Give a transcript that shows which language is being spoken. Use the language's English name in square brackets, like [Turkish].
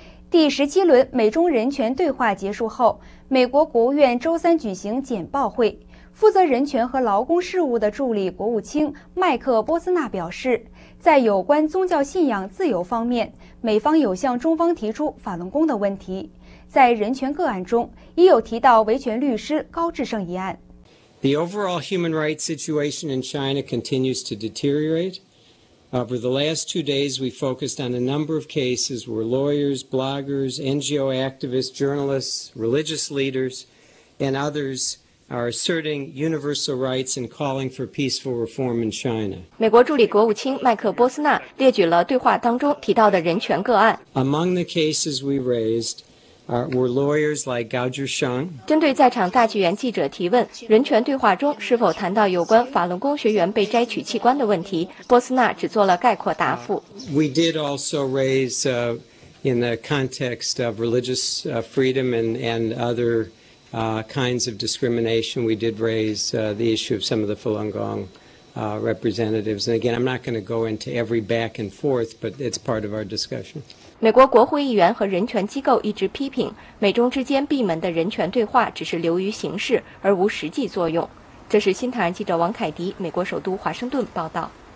[Chinese] 第十七轮美中人权对话结束后，美国国务院周三举行简报会，负责人权和劳工事务的助理国务卿麦克波斯纳表示，在有关宗教信仰自由方面，美方有向中方提出法轮功的问题，在人权个案中已有提到维权律师高志胜一案。 [English] The overall human rights situation in China continues to deteriorate. Over the last two days, we focused on a number of cases where lawyers, bloggers, NGO activists, journalists, religious leaders, and others. are asserting universal rights and calling for peaceful reform in China. [Chinese] 美国助理国务卿麦克波斯纳列举了对话当中提到的人权个案。 [English] Among the cases we raised were lawyers like Gao Jusheng. [Chinese] 针对在场大纪元记者提问，人权对话中是否谈到有关法轮功学员被摘取器官的问题，波斯纳只做了概括答复。 [English] We did also raise in the context of religious freedom and other. Kinds of discrimination. We did raise the issue of some of the Falun Gong representatives. And again, I'm not going to go into every back and forth, but it's part of our discussion. [Chinese] 美国国会议员和人权机构一直批评美中之间闭门的人权对话只是流于形式而无实际作用。这是新唐人记者王凯迪，美国首都华盛顿报道。